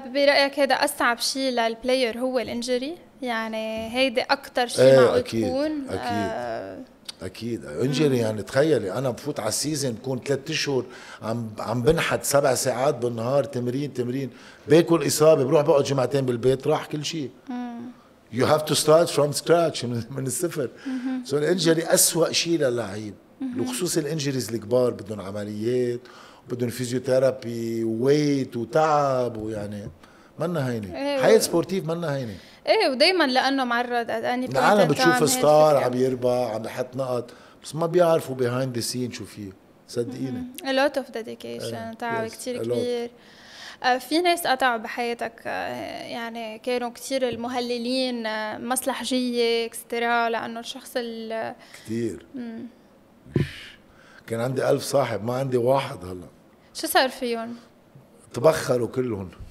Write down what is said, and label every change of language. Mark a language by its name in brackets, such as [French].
[Arabic] برأيك هذا أصعب شيء للبلاير هو الانجري، يعني هيدي أكتر شيء معقول تكون. أكيد أكيد أنجري يعني تخيلي أنا بفوت على السيزن بكون ثلاثة شهور عم بنحت سبع ساعات بالنهار تمرين باكل إصابة بروح بقعد جمعتين بالبيت راح كل شيء. [English] You have to start from scratch [Arabic] من الصفر. So الانجري أسوأ شيء للعيب وخصوص الانجريز الكبار بدون عمليات بدون فيزيوثيرابي ويت وتعب ويعني منا هيني حياة سبورتيف منا هيني. ايه ودايما لانه معرض اني العالم بتشوف ستار عم يربح عم بحط نقط بس ما بيعرفوا [English] behind the scene [Arabic] شو فيه صدقيني. [English] A lot of dedication [Arabic] تعب كتير كبير. في ناس قطعوا بحياتك يعني كانوا كتير المهللين مصلحجية اكسترا لانه الشخص ال كتير كان عندي 1000 صاحب ما عندي واحد هلا. شو صار فيهم؟ تبخروا كلهم.